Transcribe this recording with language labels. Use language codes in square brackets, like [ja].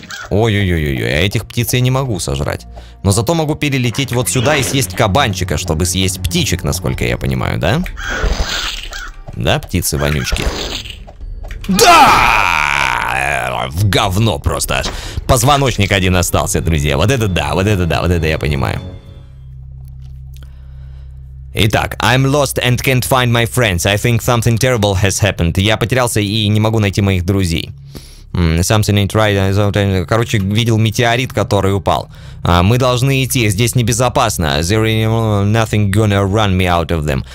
[ru] Ой-ой-ой-ой-ой. А этих птиц я не могу сожрать. Но зато могу перелететь вот сюда и съесть кабанчика, чтобы съесть птичек, насколько я понимаю, да? Да, птицы-вонючки? Да! В говно просто аж. Позвоночник один остался, друзья. Вот это да, вот это да, вот это я понимаю. Итак, [en] I'm lost and can't find my friends. I think something terrible has happened. [ru] Я потерялся и не могу найти моих друзей. [en] Something ain't right. [ru] Короче, видел метеорит, который упал. Мы должны идти, здесь небезопасно. [en] There ain't nothing gonna run me out of them.